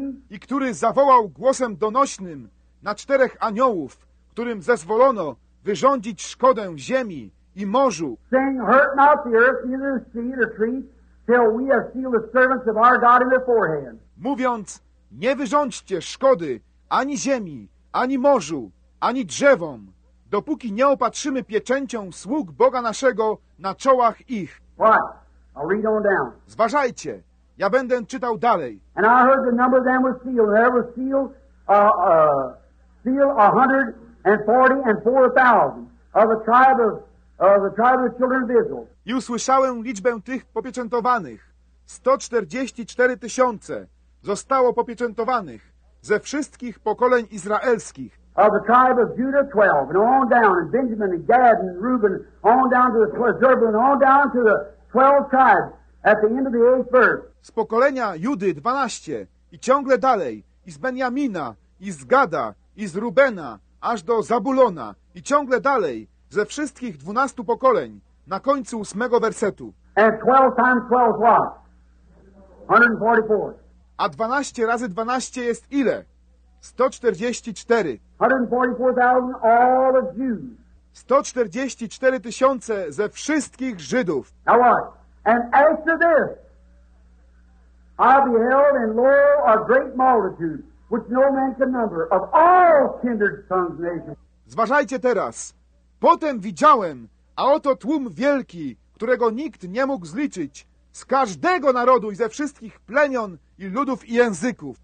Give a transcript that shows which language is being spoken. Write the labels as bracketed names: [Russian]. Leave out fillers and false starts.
[Polish] I który zawołał głosem donośnym na czterech aniołów, którym zezwolono wyrządzić szkodę w ziemi i morzu. [English] Saying, hurt not the earth, neither the sea, the tree, till we have sealed the servants of our God in their forehand. [Polish] Mówiąc, nie wyrządźcie szkody ani ziemi, ani morzu, ani drzewom, dopóki nie opatrzymy pieczęcią sług Boga naszego na czołach ich. [English] What? I'll read on down. [Polish] Zważajcie, ja będę czytał dalej. [English] And I heard the number of them was sealed, and there was sealed a 144,000 of the tribe of the children of Israel. [Polish] I usłyszałem liczbę tych popieczętowanych. 144 tysiące zostało popieczętowanych ze wszystkich pokoleń izraelskich. [English] Of the tribe of Judah, 12, and on down, and Benjamin, and Gad, and Reuben, on down to the 12, Zebulun, on down to the 12 tribes at the end of the 8th verse. [Polish] Z pokolenia Judy, 12, i ciągle dalej, i z Benjamina, i z Gada, i z Rubena, aż do Zabulona, i ciągle dalej, ze wszystkich 12 pokoleń, na końcu 8 wersetu. [English] And 12 times 12 what? 144. [Polish] A 12 razy 12 jest ile? 144. [English] 144,000 all of Jews. [Polish] 144 tysiące ze wszystkich Żydów. [English] Now what? And after this, I beheld, and lo, a great multitude, which no man can number, of all kindred tongues and nations. [Polish] Zważajcie teraz. Potem widziałem, a oto tłum wielki, którego nikt nie mógł zliczyć, z każdego narodu i ze wszystkich plemion i ludów i języków.